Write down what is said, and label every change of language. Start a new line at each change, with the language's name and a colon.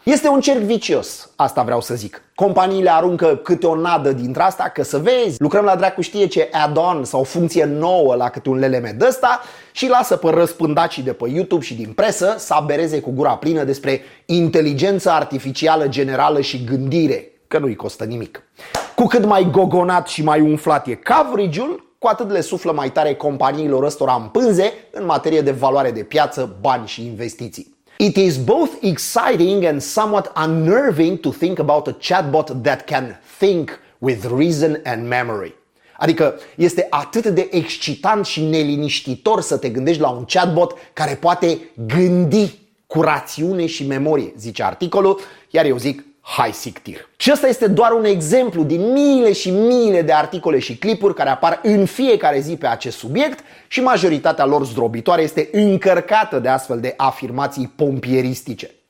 Romanian: Este un cerc vicios, asta vreau să zic. Companiile aruncă câte o nadă dintre asta, că să vezi, lucrăm la dracu știe ce add-on sau funcție nouă la câte un leleme de ăsta și lasă pe răspândacii de pe YouTube și din presă să abereze cu gura plină despre inteligență artificială generală și gândire, că nu-i costă nimic. Cu cât mai gogonat și mai umflat e coverage-ul, cu atât le suflă mai tare companiilor ăstora în pânze în materie de valoare de piață, bani și investiții.
English: It is both exciting and somewhat unnerving to think about a chatbot that can think with reason and memory.
Romanian: Adică este atât de excitant și neliniștitor să te gândești la un chatbot care poate gândi cu rațiune și memorie, zice articolul, iar eu zic, hai sictir. Și ăsta este doar un exemplu din miile și miile de articole și clipuri care apar în fiecare zi pe acest subiect și majoritatea lor zdrobitoare este încărcată de astfel de afirmații pompieristice.